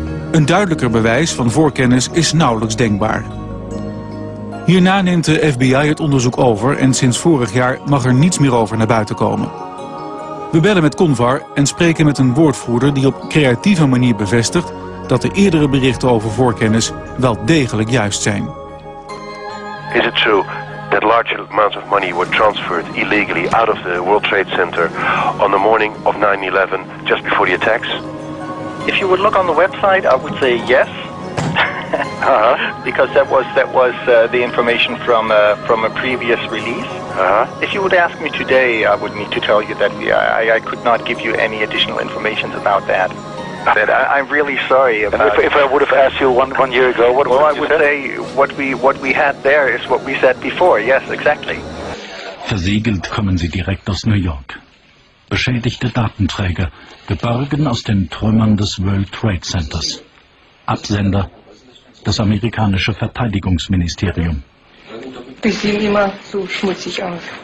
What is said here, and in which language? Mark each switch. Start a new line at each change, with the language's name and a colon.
Dutch: Een duidelijker bewijs van voorkennis is nauwelijks denkbaar. Hierna neemt de FBI het onderzoek over en sinds vorig jaar mag er niets meer over naar buiten komen. We bellen met Convar en spreken met een woordvoerder die op creatieve manier bevestigt dat de eerdere berichten over voorkennis wel degelijk juist zijn. Is het zo dat
English: large amounts of money were transferred illegally out of the World Trade Center on the morning of 9/11, just before the attacks? If you would look on the website, I would say yes. Because that was the information from a previous release. If you would ask me today, I would need to tell you that I could not give you any additional information about that. I'm really sorry. If I would have asked you one year ago, I would say what we had there is what we said before. Yes, exactly.
German: Versiegelt kommen sie direkt aus New York. Beschädigte Datenträger, geborgen aus den Trümmern des World Trade Centers. Absender, das amerikanische Verteidigungsministerium. Die sehen immer so schmutzig aus.